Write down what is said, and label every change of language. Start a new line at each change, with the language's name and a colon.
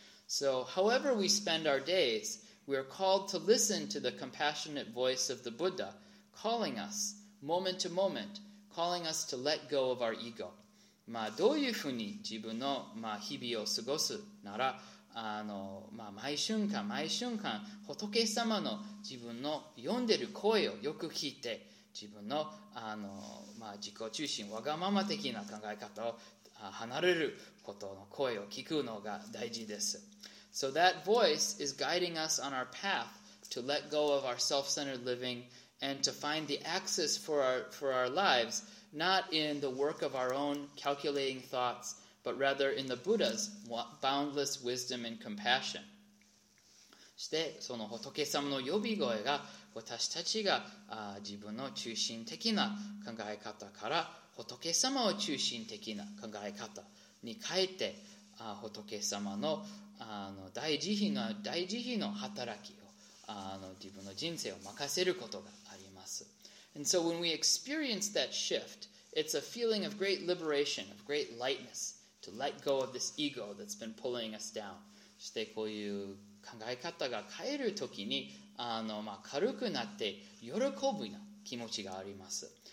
English: So however we spend our days, we are called to listen to the compassionate voice of the Buddha. Calling us, moment to moment, calling us to let go of our ego.
Japanese: まあどういうふうに自分のまあ日々を過ごすなら、毎瞬間毎瞬間仏様の自分の呼んでる声をよく聞いて、自分の自己中心わがまま的な考え方を離れることの声を聞くのが大事です。
English: So that voice is guiding us on our path to let go of our self-centered living. And to find the axis for our lives, not in the work of our own calculating thoughts, but rather in the Buddha's boundless wisdom and compassion.
Japanese: そしてその仏様の呼び声が私たちが自分の中心的な考え方から仏様を中心的な考え方に変えて仏様の大慈悲の働きを自分の人生を任せることが。
English: And so when we experience that shift, it's a feeling of great liberation, of great lightness, to let go of this ego that's been pulling us down.
Japanese: そしてこういう考え方が変えるときに、軽くなって喜ぶな気持ちがあります。